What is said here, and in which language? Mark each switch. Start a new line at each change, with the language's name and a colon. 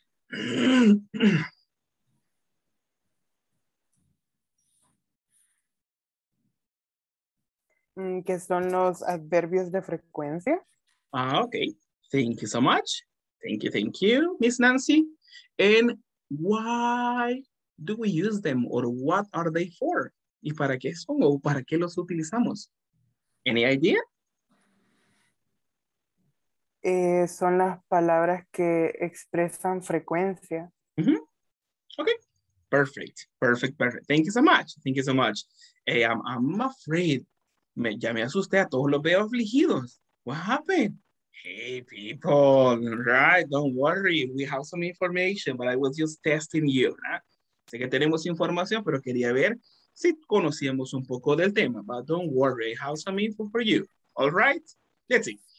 Spanish: ¿Qué son los adverbios de frecuencia?
English: Ah, ok. Thank you so much. Thank you, Miss Nancy. And why do we use them or what are they for?
Spanish: ¿Y para qué son o para qué los utilizamos?
English: Any idea?
Spanish: Son las palabras que expresan frecuencia.
English: Mm-hmm. Okay, perfect. Thank you so much. Hey, I'm afraid.
Spanish: Ya me asusté, a todos los veo afligidos.
English: What happened? Hey, people, right, don't worry. We have some information, but I was just testing you. Right?
Spanish: Sé que tenemos información, pero quería ver si conocíamos un poco del tema.
English: But don't worry, I have some info for you. All right, let's see.